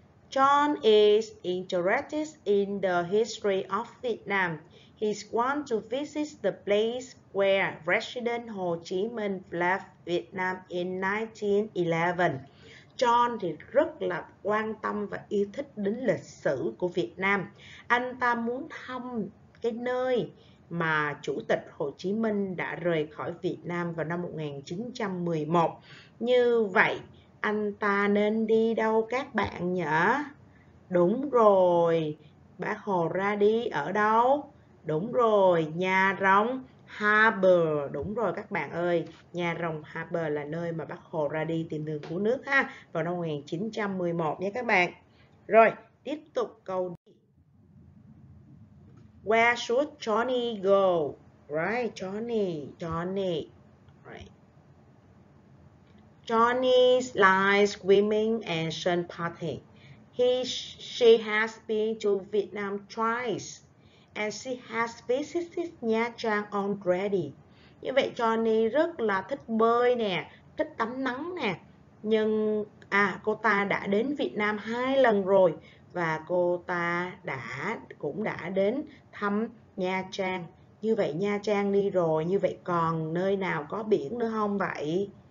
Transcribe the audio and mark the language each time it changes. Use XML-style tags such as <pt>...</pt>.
<en>John is interested in the history of Vietnam. He wants to visit the place where President Ho Chi Minh left Vietnam in 1911.</en> <vi>John thì rất là quan tâm và yêu thích đến lịch sử của Việt Nam. Anh ta muốn thăm cái nơi mà Chủ tịch Hồ Chí Minh đã rời khỏi Việt Nam vào năm 1911. Như vậy, anh ta nên đi đâu các bạn nhỉ? Đúng rồi, Bác Hồ ra đi ở đâu? Đúng rồi, Nhà Rồng Harbor. Đúng rồi các bạn ơi, Nhà Rồng Harbor là nơi mà Bác Hồ ra đi tìm đường cứu nước ha, vào năm 1911 nha các bạn. Rồi, tiếp tục câu đi.</vi> <en>Where should Johnny go? Right, Johnny. Right. Johnny likes swimming and sun party. She has been to Vietnam twice and she has visited Nha Trang already.</en> <vi>Như vậy Johnny rất là thích bơi nè, thích tắm nắng nè. Nhưng cô ta đã đến Việt Nam 2 lần rồi và cô ta cũng đã đến thăm Nha Trang. Như vậy Nha Trang đi rồi, như vậy còn nơi nào có biển nữa không vậy?</vi>